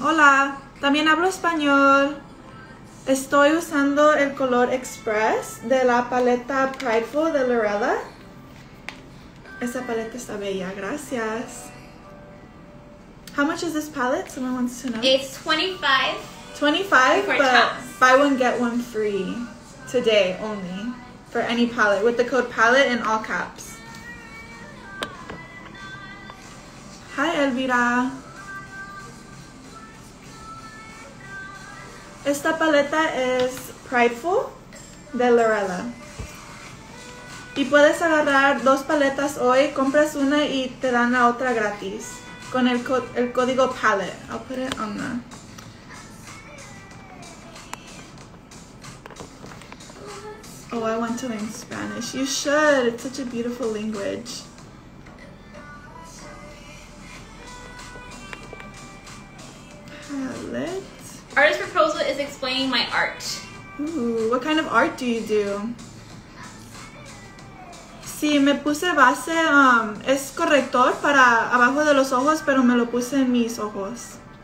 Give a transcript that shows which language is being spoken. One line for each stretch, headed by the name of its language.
Spanish: Hola, también hablo español. Estoy usando el color Express de la paleta Prideful de Lurella. Esa paleta está bella, gracias.
English: How much is this palette? Someone wants to know. It's 25. 25, but buy one, get one free today only for any palette with the code palette in all caps. Hi, Elvira.
Spanish: Esta paleta es Prideful de Lurella. Y puedes agarrar dos paletas hoy, compras una y te dan la otra gratis. Con el código
English: palette. I'll put it on the... Oh, I want to learn Spanish. You should, it's such a beautiful language. Palette. Artist proposal is explaining my art. Ooh, what kind of art do you do?
Spanish: Sí, me puse base, es corrector para abajo de los ojos, pero me lo puse en mis ojos.